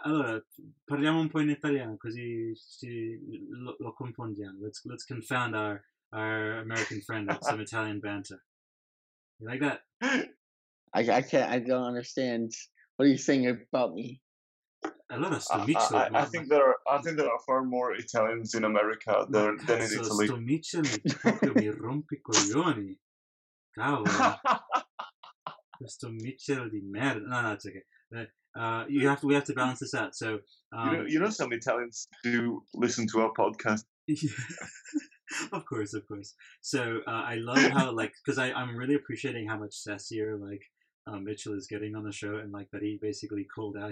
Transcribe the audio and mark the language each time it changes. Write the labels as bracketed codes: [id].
[it] Allora, parliamo un po' in italiano, così lo confondiamo. [en] Let's confound our American friend with some Italian banter. You like that? I don't understand. What are you saying about me? [it] Allora, stomicelo. [en] I think there are far more Italians in America than in Italy. [it] Stomicelo, mi rompi coglioni. Cavolo, questo Mitchell di merda. [en] No, it's okay. We have to balance this out. So you know some Italians do listen to our podcast. of course. So I love how, like, because I'm really appreciating how much sassier Mitchell is getting on the show, and like that he basically called out.